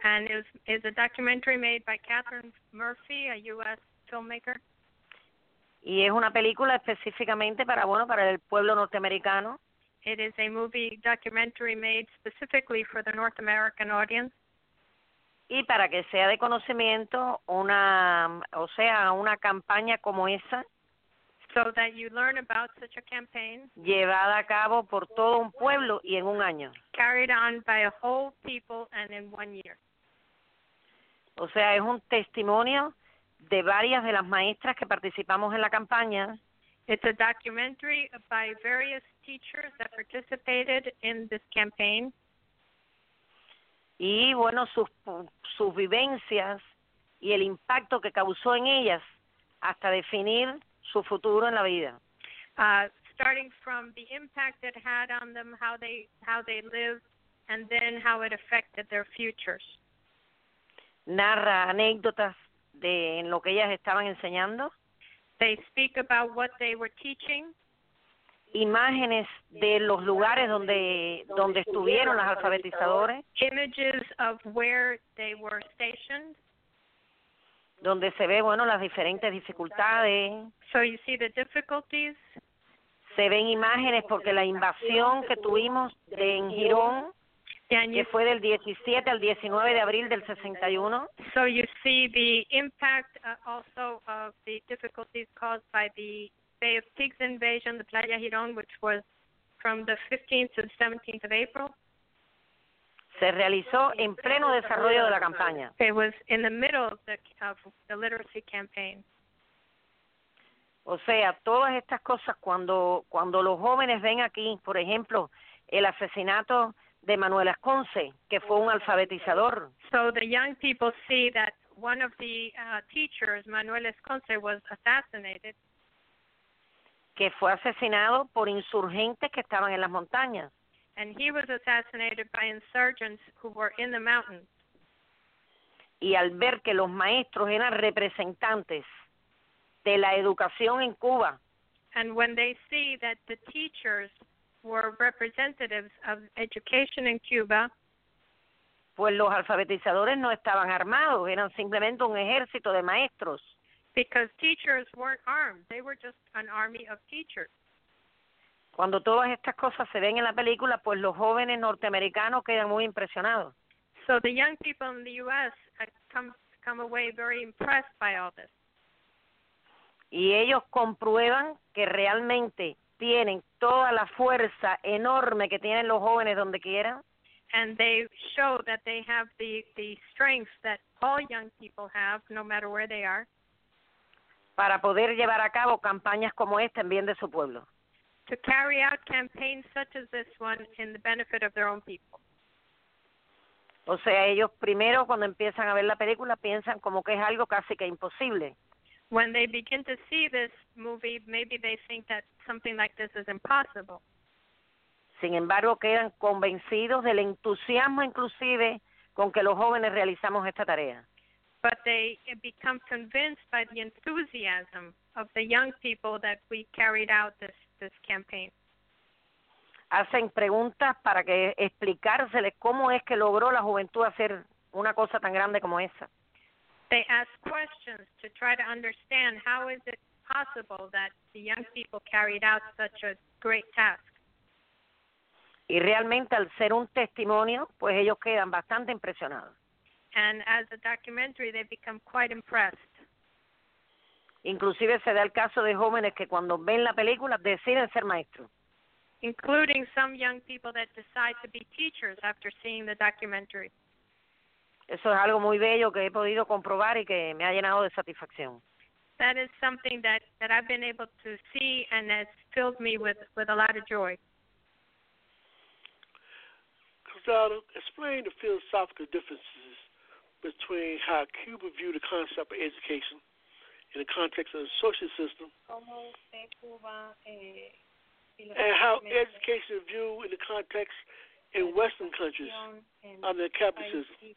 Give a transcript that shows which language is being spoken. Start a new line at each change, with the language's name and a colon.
English: And it's a documentary made by Catherine Murphy, a U.S. filmmaker.
Spanish: Y es una película específicamente para el pueblo norteamericano.
English: It is a movie documentary made specifically for the North American audience.
Spanish: Y para que sea de conocimiento, una campaña como esa
English: so that you learn about such a campaign.
Spanish: Llevada a cabo por todo un pueblo y en un año.
English: Carried on by a whole people and in 1 year.
Spanish: O sea, es un testimonio de varias de las maestras que participamos en la campaña.
English: It's a documentary by various teachers that participated in this campaign.
Spanish: Y bueno, sus vivencias y el impacto que causó en ellas hasta definir su futuro en la vida.
English: Starting from the impact it had on them, how they lived, and then how it affected their futures.
Spanish: Narra anécdotas de en lo que ellas estaban enseñando.
English: They speak about what they were teaching.
Spanish: Imágenes de los lugares donde estuvieron los alfabetizadores.
English: Images of where they were stationed.
Spanish: Donde se ve, bueno, las diferentes dificultades.
English: So you see the difficulties.
Spanish: Se ven imágenes porque la invasión que tuvimos de en Girón, que fue del 17 al 19 de abril del 61.
English: So you see the impact also of the difficulties caused by the Bay of Pigs invasion, the Playa Girón, which was from the 15th to the 17th of April.
Spanish: Se realizó en pleno desarrollo de la campaña.
English: It was in the middle of the literacy campaign.
Spanish: O sea, todas estas cosas, cuando los jóvenes ven aquí, por ejemplo, el asesinato de Manuel Esconce, que fue un alfabetizador.
English: So the young people see that one of the teachers, Manuel Esconce, was assassinated.
Spanish: Que fue asesinado por insurgentes que estaban en las montañas.
English: And he was assassinated by insurgents who were in the mountains.
Spanish: Y al ver que los maestros eran representantes de la educación en Cuba.
English: And when they see that the teachers were representatives of education in Cuba.
Spanish: Pues los alfabetizadores no estaban armados, eran simplemente un ejército de maestros.
English: Because teachers weren't armed, they were just an army of teachers.
Spanish: Cuando todas estas cosas se ven en la película, pues los jóvenes norteamericanos quedan muy impresionados.
English: So the young people in the U.S. come away very impressed by all this.
Spanish: Y ellos comprueban que realmente tienen toda la fuerza enorme que tienen los jóvenes donde quieran.
English: And they show that they have the strength that all young people have, no matter where they are.
Spanish: Para poder llevar a cabo campañas como esta en bien de su pueblo.
English: To carry out campaigns such as this one in the benefit of their own people.
Spanish: O sea, ellos primero cuando empiezan a ver la película piensan como que es algo casi que imposible.
English: When they begin to see this movie, maybe they think that something like this is impossible.
Spanish: Sin embargo, quedan convencidos del entusiasmo inclusive con que los jóvenes realizamos esta tarea.
English: But they become convinced by the enthusiasm of the young people that we carried out this campaign.
Spanish: Hacen preguntas para que explicárseles cómo es que logró la juventud hacer una cosa tan grande como esa.
English: They ask questions to try to understand how is it possible that the young people carried out such a great task.
Spanish: Y realmente al ser un testimonio, pues ellos quedan bastante impresionados.
English: And as a documentary, they become quite impressed.
Spanish: Inclusive se da el caso de jóvenes que cuando ven la película deciden ser maestros.
English: Including some young people that decide to be teachers after seeing the documentary.
Spanish: Eso es algo muy bello que he podido comprobar y que me ha llenado de satisfacción.
English: That is something that I've been able to see and has filled me with a lot of joy. Cruzado, explain the philosophical differences between how Cuba viewed the concept of education in the context of the social system and how education is viewed in the context in Western countries under capitalism.